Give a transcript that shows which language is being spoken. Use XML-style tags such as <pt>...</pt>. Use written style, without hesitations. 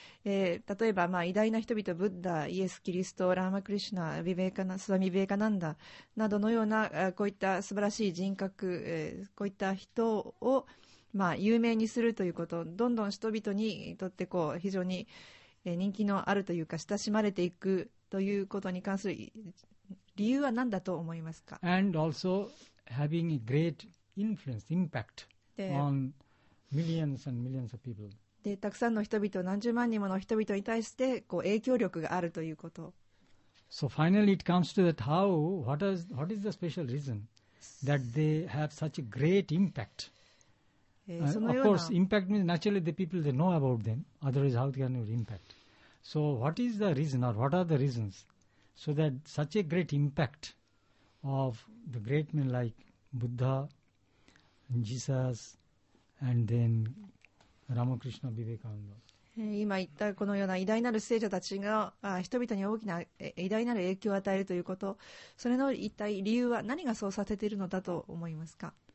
<ja>例えば、まあ、偉大な人々、ブッダ、イエス・キリスト、ラーマ・クリシュナ、スワミ・ビベカナンダなどのようなこういった素晴らしい人格、こういった人を、まあ、有名にするということ、どんどん人々にとってこう非常に人気のあるというか親しまれていくということに関する理由は何だと思いますか。</ja> <en>And also having a greatInfluence, impact on millions and millions of people.</en> <ja>で、たくさんの人々、何十万人もの人々に対してこう影響力があるということ。</ja> <en>So finally it comes to that how, what is the special reason that they have such a great impact? Of course, impact means naturally the people, they know about them. Otherwise, how can you impact? So what is the reason or what are the reasons so that such a great impact of the great men like Buddha,Jesus, and then Ramakrishna, Vivekananda.</en> <ja>今言ったこのような偉大なる聖者たちが人々に大きな偉大なる影響を与えるということ、それの一体理由は何がそうさせているのだと思いますか。</ja>